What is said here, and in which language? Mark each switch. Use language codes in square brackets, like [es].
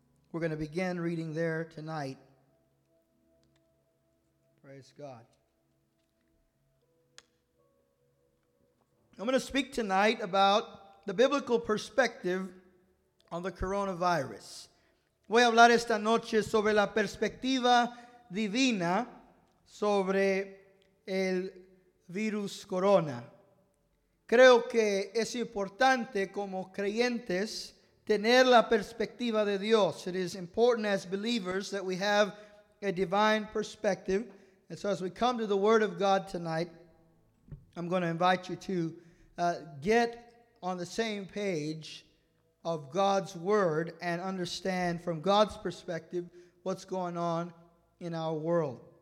[en] We're going to begin reading there tonight. Praise God. I'm going to speak tonight about the biblical perspective on the coronavirus. [es] Voy a hablar esta noche sobre la perspectiva divina sobre el virus corona. Creo que es importante como creyentes tener la perspectiva de Dios. [en] It is important as believers that we have a divine perspective. And so as we come to the Word of God tonight, I'm going to invite you to get on the same page of God's Word and understand from God's perspective what's going on in our world.